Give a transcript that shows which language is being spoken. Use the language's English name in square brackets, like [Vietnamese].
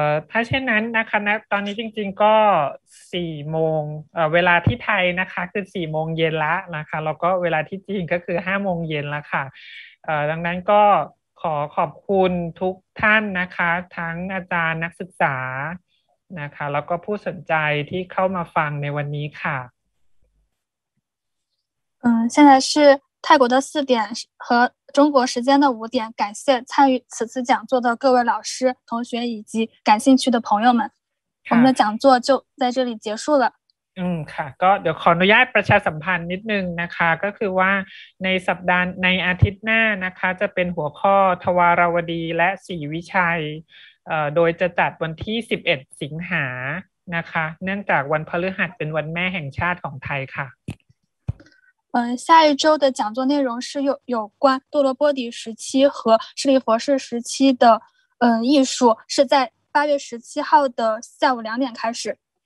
[Thai] ถ้าเช่นนั้นนะคะนะตอนนี้จริงๆก็4โมงเวลาที่ไทยนะคะคือ4โมงเย็นละนะคะแล้วก็เวลาที่จีนก็คือ5โมงเย็นละค่ะดังนั้นก็ขอขอบคุณทุกท่านนะคะทั้งอาจารย์นักศึกษานะคะแล้วก็ผู้สนใจที่เข้ามาฟังในวันนี้ค่ะ [Chinese] 现在是泰国的四点和中国时间的五点感谢参与此次讲座的各位老师同学以及感兴趣的朋友们我们的讲座就在这里结束了 [Thai] ค่ะก็เดี๋ยวขออนุญาตประชาสัมพันธ์นิดนึงนะคะก็คือว่าในสัปดาห์ในอาทิตย์หน้านะคะจะเป็นหัวข้อทวารวดีและศรีวิชัยโดยจะจัดวันที่11สิงหานะคะเนื่องจากวันพฤหัสเป็นวันแม่แห่งชาติของไทยค่ะ [Chinese] 下一周的讲座内容是有关多罗波底时期和舍利弗世时期的艺术是在8月17号的下午2点开始